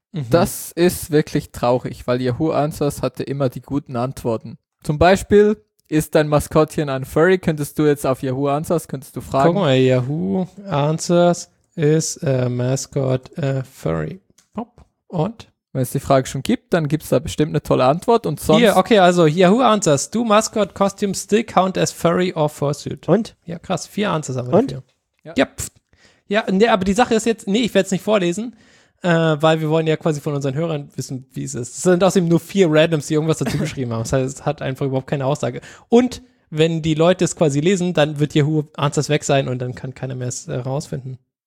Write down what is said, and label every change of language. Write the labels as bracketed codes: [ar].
[de] Das ist wirklich traurig, weil Yahoo Answers hatte immer die guten Antworten. Zum Beispiel, ist dein Maskottchen ein Furry? Könntest du jetzt auf Yahoo Answers, könntest du fragen? Guck mal, [en] Yahoo Answers is a mascot a Furry. [de] Und? Wenn es die Frage schon gibt, dann gibt es da bestimmt eine tolle Antwort. Und sonst. Hier, okay, also [en] Yahoo Answers. Do Mascot Costumes still count as furry or fursuit? [de] Und? Ja, krass. 4 Answers haben wir und? Dafür. Ja. Ja, nee, aber die Sache ist jetzt, nee, ich werde es nicht vorlesen, weil wir wollen ja quasi von unseren Hörern wissen, wie es ist. Es sind außerdem nur 4 Randoms, die irgendwas dazu geschrieben haben. Das heißt, es hat einfach überhaupt keine Aussage. Und wenn die Leute es quasi lesen, dann wird Yahoo Answers weg sein und dann kann keiner mehr es rausfinden.